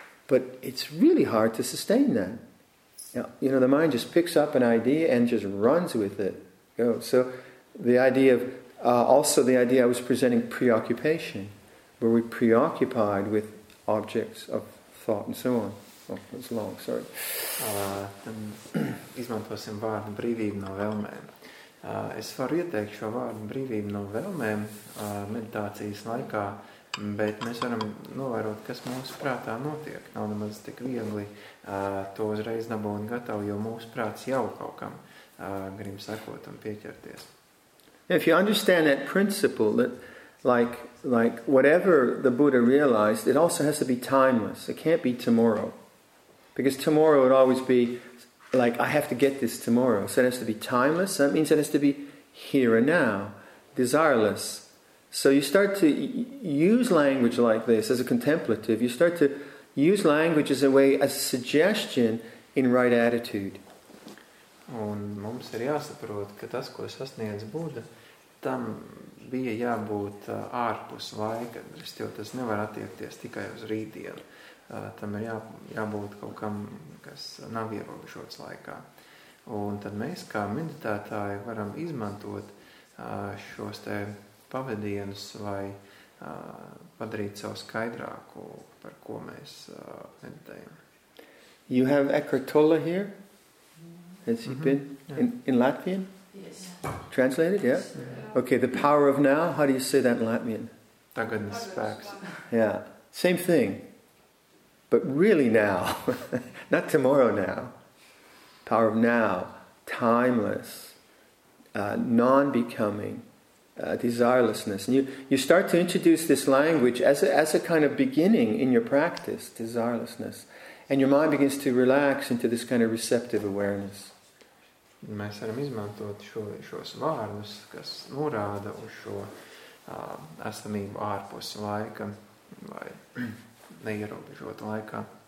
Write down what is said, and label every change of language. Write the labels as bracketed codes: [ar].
[en] But it's really hard to sustain that. You know, the mind just picks up an idea and just runs with it. So the idea of, also the idea I was presenting, preoccupation, where we're preoccupied with objects of thought and so on. Oh, that's long, sorry. [lv] Tad izmantosim vārdu brīvību no vēlmēm. Es varu ieteikt šo vārdu brīvību no vēlmēm meditācijas laikā, bet mēs varam novērot, kas mūsu prātā notiek. Nav nemaz tik viegli to uzreiz dabūt gatavu, jo mūsu prāts jau kaut kam grib sakot un pieķerties. [en] If you understand that principle, that like whatever the Buddha realized, it also has to be timeless. It can't be tomorrow. Because tomorrow would always be like, I have to get this tomorrow. So it has to be timeless. That means it has to be here and now, desireless. So you start to use language like this as a contemplative. You start to use language as a way, as a suggestion in right attitude. [lv] Un mums ir jāsaprot, ka tas, ko sasniedz Buda, tam bija jābūt ārpus laika. Jo tas nevar attiekties tikai uz rītdienu. Tam ir jābūt kaut kam, kas nav ierobežots laikā. Un tad mēs kā meditētāji varam izmantot šos te pavadienus vai padarīt savu skaidrāku, par ko mēs meditējam. [en] You have Eckhart Tolle here? Has he been in Latvian? Yes. Translated, yeah? Yeah? Okay, the power of now, how do you say that in Latvian? [lv] Tagadnes spēks. [en] Yeah, same thing. But really now, not tomorrow now. Power of now, timeless, non-becoming, desirelessness. And you start to introduce this language as a kind of beginning in your practice, desirelessness. And your mind begins to relax into this kind of receptive awareness. [lv] Mēs varam izmantot šos vārdus, kas norāda uz šo esamību ārpus laika vai neierobežotu laikā.